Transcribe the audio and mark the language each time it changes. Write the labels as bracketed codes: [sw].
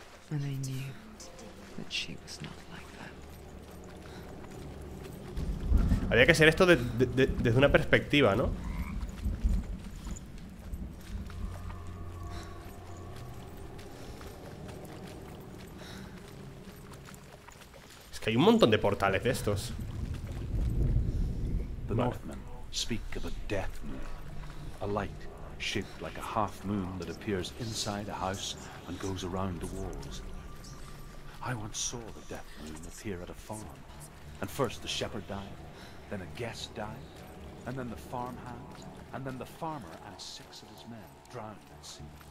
[en] And I knew that she was not like that. [es] Había que hacer esto desde una perspectiva, ¿no? Es que hay un montón de portales de estos. [en] The Northmen speak of a death moon, a light shaped like a half moon that appears inside a house and goes around the walls. I once saw the death moon appear at a farm, and first the shepherd died, then a guest died, and then the farmhand, and then the farmer and six of his men drowned at sea.